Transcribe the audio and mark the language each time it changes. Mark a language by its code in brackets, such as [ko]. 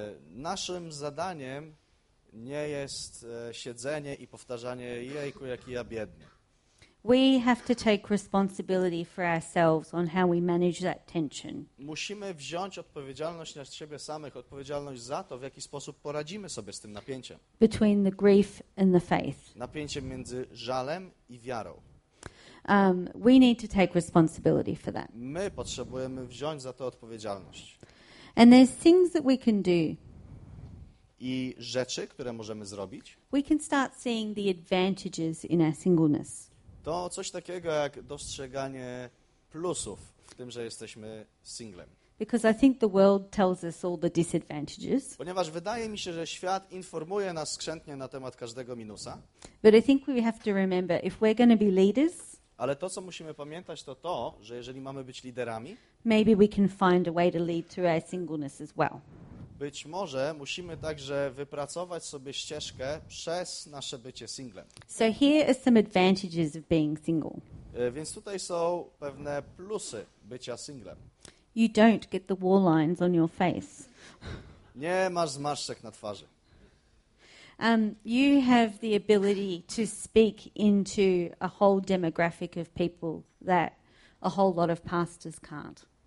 [pl] Naszym zadaniem nie jest siedzenie i powtarzanie, jejku, jaki ja biedny. [en] We have to take responsibility for ourselves on how we manage that tension. [pl] Musimy wziąć odpowiedzialność na siebie samych, odpowiedzialność za to, w jaki sposób poradzimy sobie z tym napięciem. [en] Between the grief and the faith. [pl] Napięciem między żalem i wiarą. [en] We need to take responsibility for that. [pl] My potrzebujemy wziąć za to odpowiedzialność. [en] And there's things that we can do. [pl] I rzeczy, które możemy zrobić. [en] We can start seeing the advantages in our singleness. [pl] To coś takiego jak dostrzeganie plusów w tym, że jesteśmy singlem. [en] Because I think the world tells us all the disadvantages. [pl] Ponieważ wydaje mi się, że świat informuje nas skrzętnie na temat każdego minusa. [en] But I think we have to remember if we're going to be leaders. [pl] Ale to, co musimy pamiętać, to to, że jeżeli mamy być liderami, [en] maybe we can find a way to lead through our singleness as well. [pl] Być może musimy także wypracować sobie ścieżkę przez nasze bycie singlem. [en] So here are some advantages of being single. [pl] Więc tutaj są pewne plusy bycia singlem. [en] You don't get the war lines on your face. [pl] Nie masz zmarszczek na twarzy. [en] You have the ability to speak into a whole demographic of people that a whole lot of pastors can't.